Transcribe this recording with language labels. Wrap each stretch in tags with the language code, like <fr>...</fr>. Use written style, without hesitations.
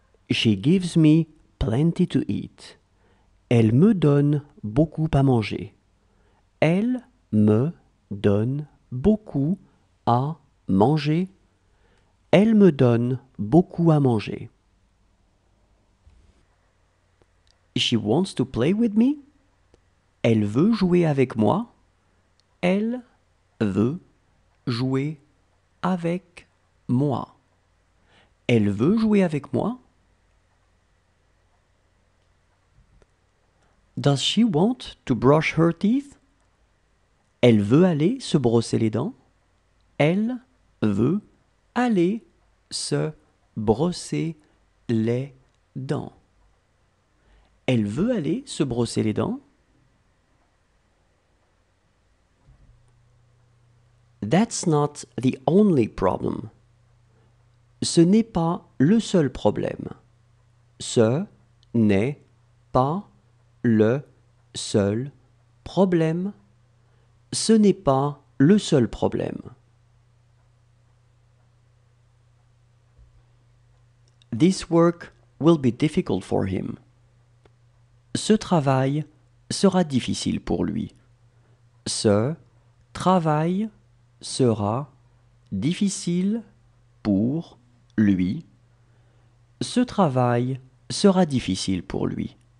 <en>She gives me plenty to eat.</en> <fr>Elle me donne beaucoup à manger. Elle me donne beaucoup à manger. Elle me donne beaucoup à manger.</fr> <en>She wants to play with me.</en> <fr>Elle veut jouer avec moi. Elle veut jouer avec moi. Elle veut jouer avec moi.</fr> <en>Does she want to brush her teeth?</en> <fr>Elle veut aller se brosser les dents. Elle veut aller se brosser les dents. Elle veut aller se brosser les dents.</fr> <en>That's not the only problem.</en> <fr>Ce n'est pas le seul problème. Ce n'est pas le seul problème. Ce n'est pas le seul problème.</fr> <en>This work will be difficult for him.</en> <fr>Ce travail sera difficile pour lui. Ce travail sera difficile pour lui. Ce travail sera difficile pour lui.</fr>